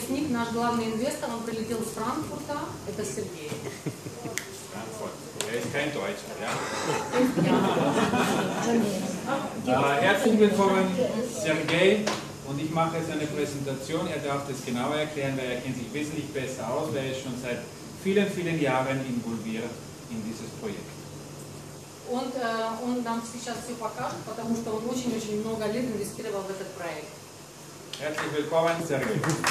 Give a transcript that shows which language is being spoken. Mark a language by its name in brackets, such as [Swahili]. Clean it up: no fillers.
[Russian] Наш главный инвестор, он прилетел из Франкфурта, это Сергей. [German] Frankfurt. Er ist kein Deutscher, ja. Herzlich willkommen, Sergej. Und ich mache jetzt eine Präsentation. Er darf das genauer erklären, weil er kennt sich wesentlich besser aus, weil er ist schon seit vielen, vielen Jahren involviert in dieses Projekt. Und [Russian] он нам сейчас все покажет, потому что он очень-очень много лет инвестировал в этот проект. [German] Herzlich willkommen, Sergej.